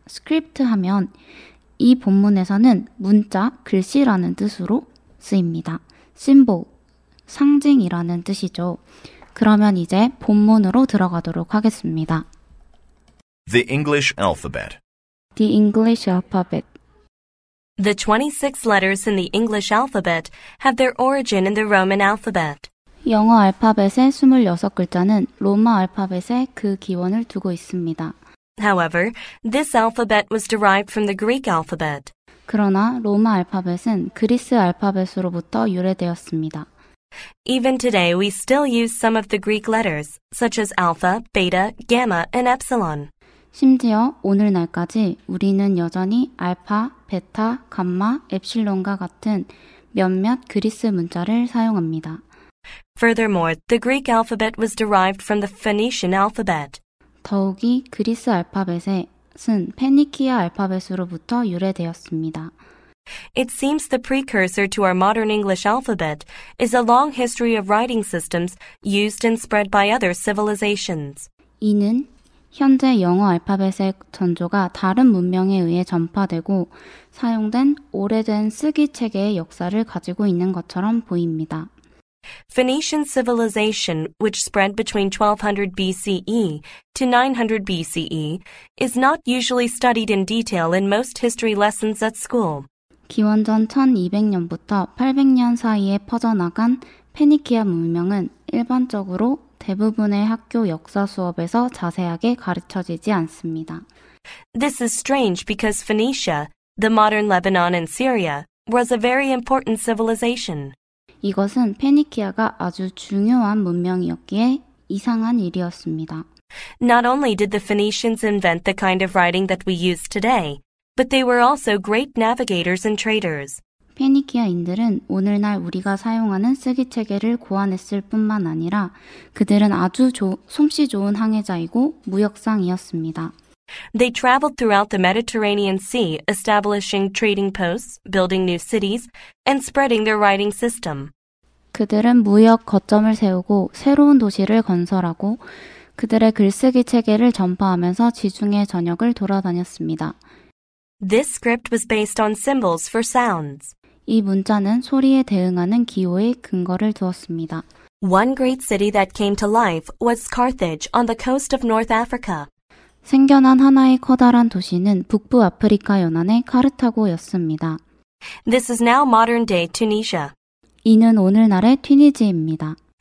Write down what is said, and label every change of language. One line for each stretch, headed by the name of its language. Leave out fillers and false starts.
Korean: script 하면 이 본문에서는 문자, 글씨라는 뜻으로 쓰입니다. symbol, 상징이라는 뜻이죠. 그러면 이제 본문으로 들어가도록 하겠습니다.
English: The English alphabet. The English alphabet. The 26 letters in the English alphabet have their origin in the Roman alphabet.
Korean: 영어 알파벳의 26 글자는 로마 알파벳의 그 기원을 두고 있습니다.
English: However, this alphabet was derived from the Greek alphabet.
Korean: 그러나 로마 알파벳은 그리스 알파벳으로부터 유래되었습니다.
English: Even today, we still use some of the Greek letters, such as alpha, beta, gamma, and epsilon.
Korean: 심지어 오늘날까지 우리는 여전히 알파, 베타, 감마, 엡실론과 같은 몇몇 그리스 문자를 사용합니다.
English: Furthermore, the Greek alphabet was derived from the Phoenician alphabet.
Korean: 더욱이 그리스 알파벳은 페니키아 알파벳으로부터 유래되었습니다.
English: It seems the precursor to our modern English alphabet is a long history of writing systems used and spread by other civilizations.
Korean: 이는 현재 영어 알파벳의 전조가 다른 문명에 의해 전파되고 사용된 오래된 쓰기 체계의 역사를 가지고 있는 것처럼 보입니다.
English: Phoenician civilization, which spread between 1200 BCE to 900 BCE, is not usually studied in detail in most history lessons at school.
Korean: 기원전 1200년부터 800년 사이에 퍼져나간 페니키아 문명은 일반적으로 대부분의 학교 역사 수업에서 자세하게 가르쳐지지 않습니다.
English: This is strange because Phoenicia, the modern Lebanon and Syria, was a very important civilization.
Korean: 이것은 페니키아가 아주 중요한 문명이었기에 이상한 일이었습니다.
English: Not only did the Phoenicians invent the kind of writing that we use today, but they were also great navigators and traders.
Korean: 페니키아인들은 오늘날 우리가 사용하는 쓰기 체계를 고안했을 뿐만 아니라 그들은 아주 솜씨 좋은 항해자이고 무역상이었습니다.
English: They traveled throughout the Mediterranean Sea, establishing trading posts, building new cities, and spreading their writing system.
Korean: 그들은 무역 거점을 세우고 새로운 도시를 건설하고 그들의 글쓰기 체계를 전파하면서 지중해 전역을 돌아다녔습니다.
English: This script was based on symbols for sounds.
Korean: 이 문자는 소리에 대응하는 기호의 근거를 두었습니다.
English: One great city that came to life was Carthage on the coast of North Africa.
Korean: 생겨난 하나의 커다란 도시는 북부 아프리카 연안의 카르타고였습니다.
English: This is now modern-day Tunisia.
Korean: 이는 오늘날의 튀니지입니다.